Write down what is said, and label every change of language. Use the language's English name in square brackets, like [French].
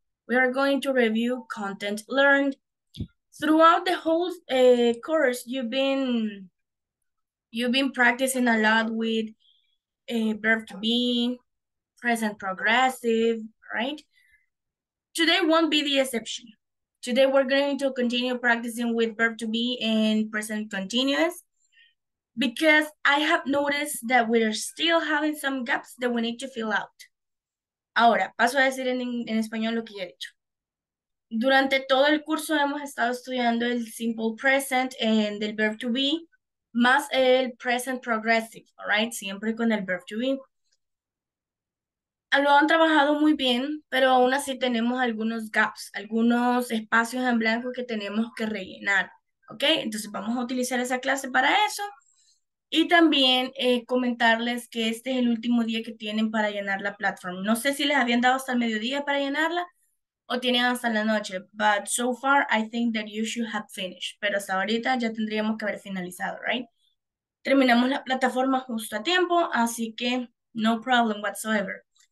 [English] We are going to review content learned. Throughout the whole course, you've been practicing a lot with verb to be, present progressive, right? Today won't be the exception. Today we're going to continue practicing with verb to be and present continuous, because I have noticed that we're still having some gaps that we need to fill out. [Spanish] Ahora, paso a decir en español lo que ya he dicho. Durante todo el curso hemos estado estudiando el simple present and el verb to be, más el present progressive, [English] all right? [Spanish] Siempre con el verb to be. Lo han trabajado muy bien, pero aún así tenemos algunos gaps, algunos espacios en blanco que tenemos que rellenar, ¿ok? Entonces vamos a utilizar esa clase para eso. Y también comentarles que este es el último día que tienen para llenar la plataforma. No sé si les habían dado hasta el mediodía para llenarla o tienen hasta la noche. [English] But so far, I think that you should have finished. [Spanish] Pero hasta ahorita ya tendríamos que haber finalizado, right? Terminamos la plataforma justo a tiempo, así que [English] no problem whatsoever.